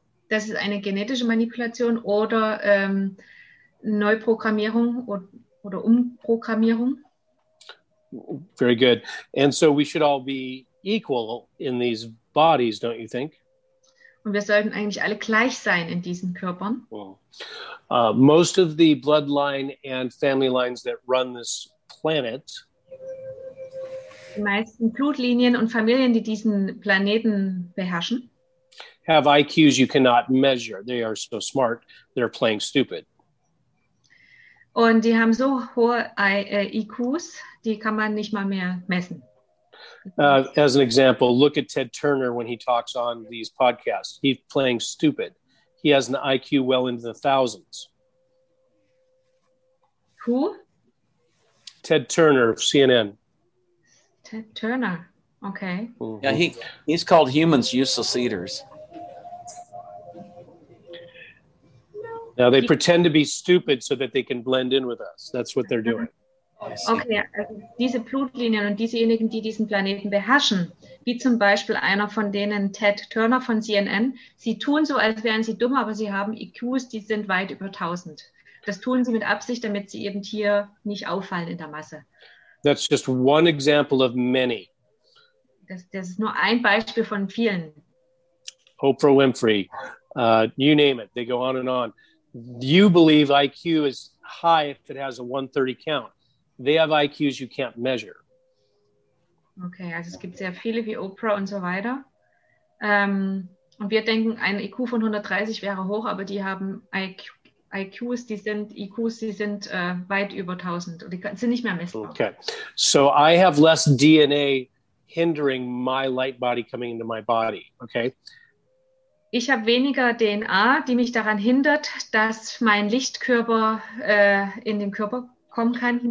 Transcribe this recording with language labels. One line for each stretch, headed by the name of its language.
German: Das ist eine genetische Manipulation oder Neuprogrammierung oder Umprogrammierung.
English: Very good. And so we should all be equal in these bodies, don't you think?
German: Und wir sollten eigentlich alle gleich sein in diesen Körpern.
English: Most of the bloodline and family lines that run this planet.
German: Die meisten Blutlinien und Familien, die diesen Planeten beherrschen.
English: Have IQs you cannot measure. They are so smart, they're playing stupid.
German: Und die haben so hohe IQs, die kann man nicht mal mehr messen.
English: As an example, look at Ted Turner when he talks on these podcasts. He's playing stupid. He has an IQ well into the thousands. Who? Ted Turner of CNN. Ted Turner. Okay. Mm-hmm. Yeah, he's called humans useless eaters. Now they pretend to be stupid so that they can blend in with us. That's what they're doing.
German: Okay, also diese Blutlinien und diesejenigen, die diesen Planeten beherrschen, wie zum Beispiel einer von denen, Ted Turner von CNN, sie tun so, als wären sie dumm, aber sie haben IQs, die sind weit über 1000. Das tun sie mit Absicht, damit sie eben hier nicht auffallen in der Masse.
English: That's just one example of many.
German: Das ist nur ein Beispiel von vielen.
English: Oprah Winfrey, you name it, they go on and on. You believe IQ is high if it has a 130 count. They have IQs you can't measure.
German: Okay, also es gibt sehr viele wie Oprah und so weiter. Und wir denken, ein IQ von 130 wäre hoch, aber die haben IQs, die sind weit über 1000. Die sind nicht mehr messbar.
English: Okay, so I have less DNA hindering my light body coming into my body, okay?
German: Ich habe weniger DNA, die mich daran hindert, dass mein Lichtkörper in den Körper kommt.